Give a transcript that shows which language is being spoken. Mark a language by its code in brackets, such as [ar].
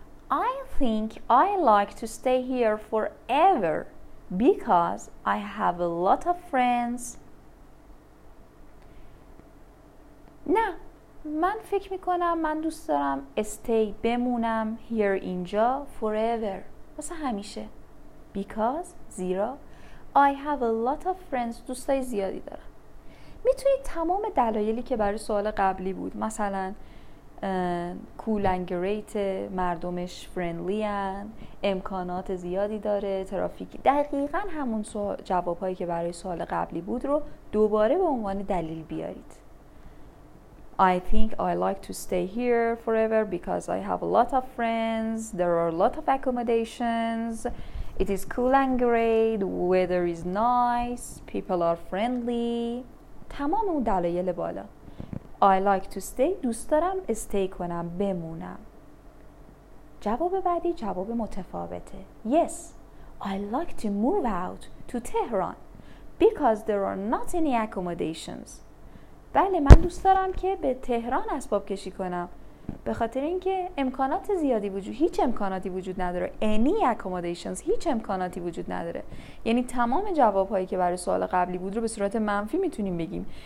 [en] I think I like to stay here forever because I have a lot of friends. [fa] نه، من فکر میکنم من دوست دارم استی بمونم here اینجا forever، واسه همیشه. [en] Because [fa] زیرا [en] I have a lot of friends، [fa] دوستای زیادی دارم. میتونید تمام دلایلی که برای سوال قبلی بود، مثلا [en] cool and great، [fa] مردمش friendly هن، امکانات زیادی داره، ترافیکی، دقیقا همون جوابهایی که برای سوال قبلی بود رو دوباره به عنوان دلیل بیارید. [en] I think I like to stay here forever because I have a lot of friends. There are a lot of accommodations. It is cool and great. Weather is nice. People are friendly. [fa] تمام اون دلایل بالا. [en] I like to stay. [fa] دوست دارم استی کنم، بمونم. جواب بعدی جواب متفاوته. [en] Yes, I like to move out to Tehran because there are not any accommodations. [fa] بله، من دوست دارم که به تهران اسباب کشی کنم، به خاطر اینکه امکانات زیادی وجود، هیچ امکاناتی وجود نداره. [en] Any accommodations، [fa] هیچ امکاناتی وجود نداره. یعنی تمام جوابهایی که برای سوال قبلی بود رو به صورت منفی میتونیم بگیم.